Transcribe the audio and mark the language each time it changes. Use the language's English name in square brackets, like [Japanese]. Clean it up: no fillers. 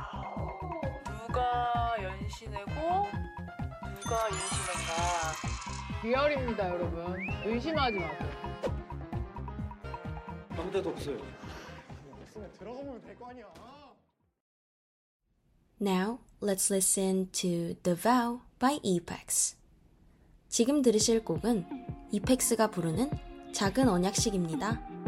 [Korean] 누가 연신혜고 누가 윤신혜인가. 리얼입니다 여러분. 의심하지 마세요. 아무데도 없어요. 없으면 들어가면 될 거 아니야. [English] Now, let's listen to The Vow by Epex. [Korean] 지금 들으실 곡은 Epex가 부르는 작은 언약식입니다.